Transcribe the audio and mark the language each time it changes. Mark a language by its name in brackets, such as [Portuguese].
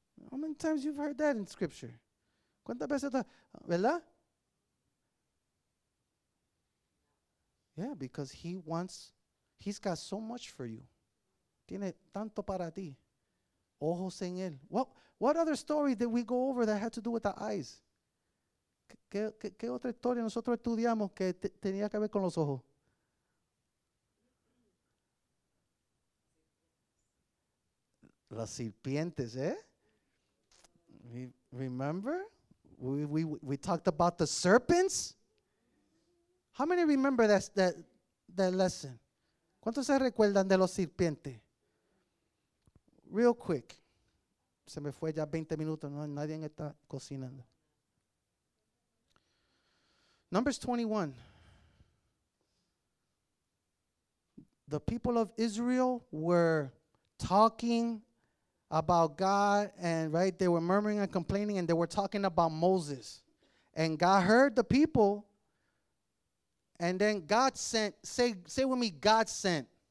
[English] How many times you've heard that in Scripture? [Spanish] ¿Cuántas veces? ¿Verdad? [English] Yeah, because he wants, he's got so much for you. [Spanish] Tiene tanto para ti. Ojos en él. [English] What other story did we go over that had to do with the eyes? [Spanish] ¿Qué otra historia nosotros estudiamos que tenía que ver con los ojos? Las serpientes, ¿eh? [English] Remember? We talked about the serpents? How many remember that lesson? [Spanish] ¿Cuántos se recuerdan de los serpientes? [English] Real quick. [Spanish] Se me fue ya 20 minutos, no, nadie está cocinando. [English] Numbers 21. The people of Israel were talking about God, and right, they were murmuring and complaining, and they were talking about Moses. And God heard the people, and then God sent, say with me, God sent.